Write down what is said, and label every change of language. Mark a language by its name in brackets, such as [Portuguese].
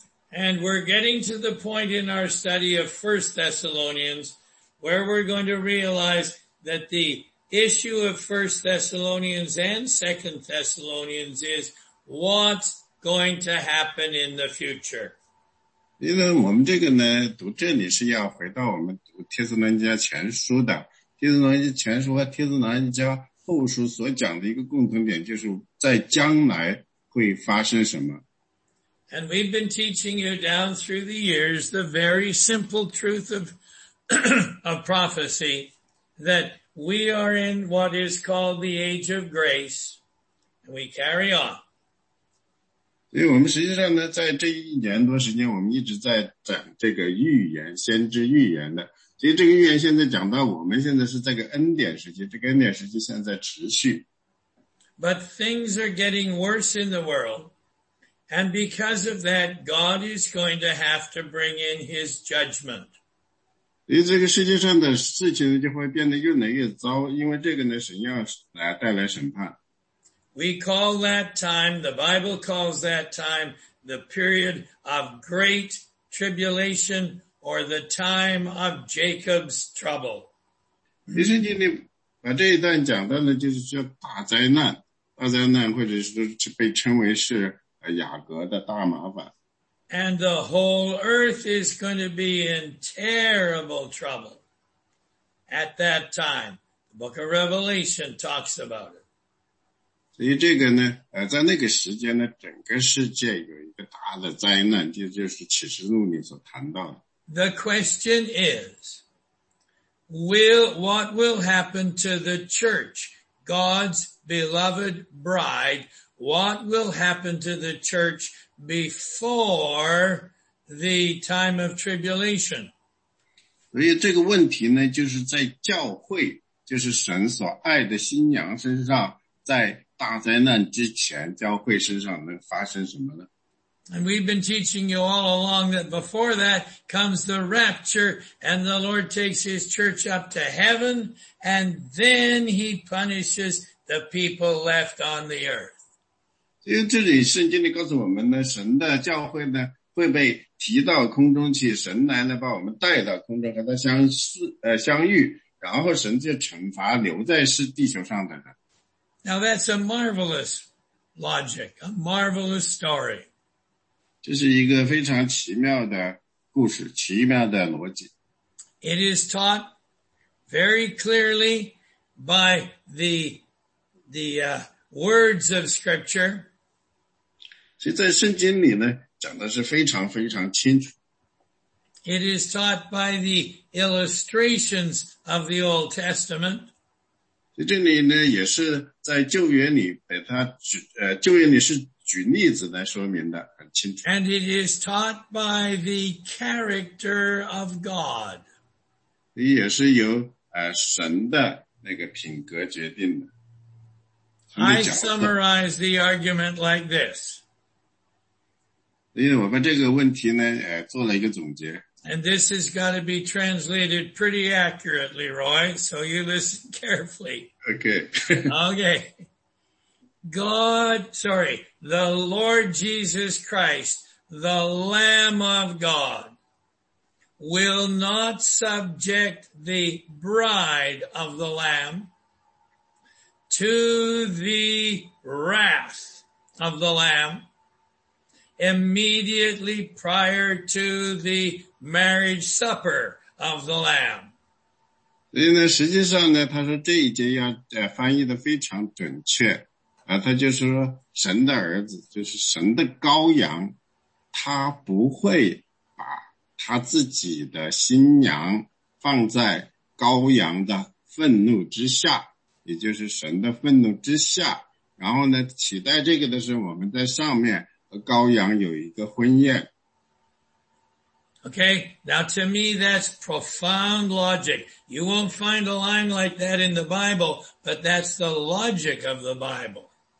[English] And we're getting to the point in our study of 1 Thessalonians where we're going to realize that the issue of 1 Thessalonians and 2 Thessalonians is what's going to happen in the future. [Chinese] 因为我们这个呢，读这里是要回到我们读帖斯伦家前书的，帖斯伦家前书和帖斯伦家后书所讲的一个共同点，就是在将来会发生什么。 [English] And we've been teaching you down through the years the very simple truth of of prophecy that we are in what is called the age of grace, and we carry on. [Chinese] 所以我们实际上呢，在这一年多时间，我们一直在讲这个预言，先知预言的。所以这个预言现在讲到我们现在是这个恩典时期，这个恩典时期现在持续。 [English] But things are getting worse in the world, and because of that, God is going to have to bring in His judgment. [Chinese] 所以这个世界上的事情就会变得越来越糟，因为这个呢，神要来带来审判。 [English] We call that time, the Bible calls that time, the period of great tribulation or the time of Jacob's trouble. [Chinese] 其实你把这一段讲到的就是叫大灾难，大灾难或者是被称为是雅各的大麻烦。 [English] And the whole earth is going to be in terrible trouble at that time. The book of Revelation talks about it. [Chinese] 所以这个呢，在那个时间呢，整个世界有一个大的灾难，就是启示录里所谈到的。 [English] The question is, what will happen to the church, God's beloved bride? What will happen to the church before the time of tribulation? [Chinese] 所以这个问题呢，就是在教会，就是神所爱的新娘身上，在大灾难之前，教会身上能发生什么呢？ [English] And we've been teaching you all along that before that comes the rapture and the Lord takes his church up to heaven and then he punishes the people left on the earth. [Chinese] 因为这里圣经里告诉我们呢，神的教会呢会被提到空中去，神来呢把我们带到空中和他相遇，然后神就惩罚留在地球上的人。 [English] Now that's a marvelous logic, a marvelous story. [Chinese] 这是一个非常奇妙的故事，奇妙的逻辑。 [English] It is taught very clearly by the words of scripture. [Chinese] 所以在圣经里呢，讲的是非常非常清楚。 [English] It is taught by the illustrations of the Old Testament. [Chinese] 所以这里呢，也是在旧约里把它旧约里是举例子来说明的，很清楚。 [English] And it is taught by the character of God. [Chinese] 也是由神的那个品格决定的。 [English] I summarize the argument like this. [Chinese] 因为我把这个问题呢做了一个总结。 [English] And this has got to be translated pretty accurately, Roy, so you listen carefully. Okay. Okay. The Lord Jesus Christ, the Lamb of God,will not subject the bride of the Lamb to the wrath of the Lamb immediately prior to the marriage supper of the Lamb. [Chinese] 所以呢，实际上呢，他说这一节要翻译的非常准确啊，他就是说神的儿子，就是神的羔羊，他不会把他自己的新娘放在羔羊的愤怒之下，也就是神的愤怒之下，然后呢取代这个的是我们在上面和羔羊有一个婚宴。 [English] Okay, now to me that's profound logic. You won't find a line like that in the Bible, but that's the logic of the Bible.